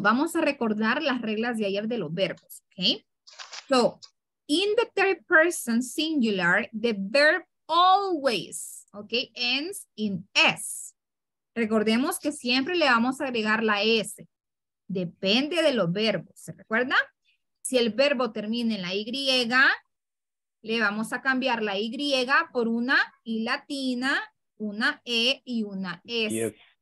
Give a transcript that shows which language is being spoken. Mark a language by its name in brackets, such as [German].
[Spanish] Vamos a recordar las reglas de ayer de los verbos. [English] Ok. So. In the third person singular, the verb always, okay, ends in S. [Spanish] Recordemos que siempre le vamos a agregar la S. Depende de los verbos, ¿se recuerda? Si el verbo termina en la Y, le vamos a cambiar la Y por una I latina, una E y una S.